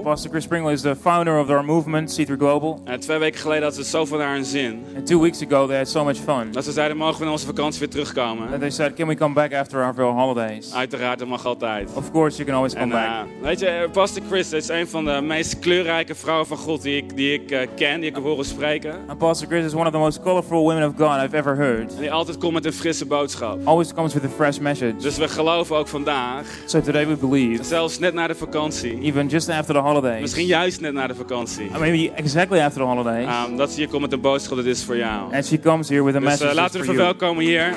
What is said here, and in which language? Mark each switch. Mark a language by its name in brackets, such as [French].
[English] Pastor Chris Springle is the founder of our movement C3 Global. [Dutch] En 2 weken geleden hadden ze zoveel naar hun zin. [English] And 2 weeks ago they had so much fun. [Dutch] Dat ze zeiden, mogen we naar onze vakantie weer terugkomen? [English] And they said, can we come back after our holidays? [Dutch] Uiteraard, dat mag altijd. [English] Of course, you can always come back. [Dutch] Weet je, Pastor Chris is een van de meest kleurrijke vrouwen van God die ik ken, die ik heb horen spreken. [English] And Pastor Chris is one of the most colorful women of God I've ever heard. [Dutch] En die altijd komt met een frisse boodschap. [English] Always comes with a fresh message. [Dutch] Dus we geloven ook vandaag. [English] So today we believe. [Dutch] Zelfs net na de vakantie. [English] Even just after the holidays. [Dutch] Misschien juist net na de vakantie. [English] Maybe exactly after the holidays. [Dutch] Dat ze hier komt met een boodschap dat is voor jou. [English] And she comes here with a message. [Dutch] Dus laten we haar verwelkomen hier.